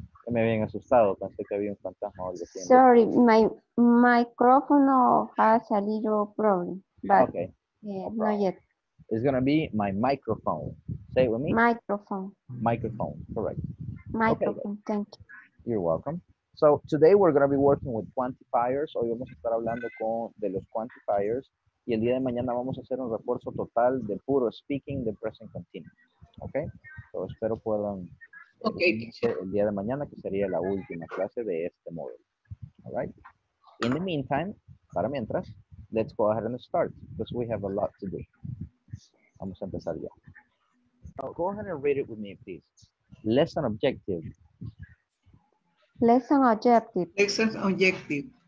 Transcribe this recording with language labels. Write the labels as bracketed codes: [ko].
[es] Me habían asustado, pensé que había un fantasma o algo así. [en] Sorry, my microphone has a little problem, but okay. Not yet. It's gonna be my microphone. Say it with me. Microphone. Microphone, correct. Microphone, okay, thank you. You're welcome. So today we're gonna be working with quantifiers. [es] Hoy vamos a estar hablando con de los quantifiers. Y el día de mañana vamos a hacer un refuerzo total de puro speaking de present continuous. Okay? So espero puedan... [en] Okay. [es] El día de mañana, que sería la última clase de este módulo. [en] All right. In the meantime, [es] para mientras, [en] let's go ahead and start, because we have a lot to do. [es] Vamos a empezar ya. [en] Now, go ahead and read it with me, please. Lesson objective. Lesson objective. Lesson objective.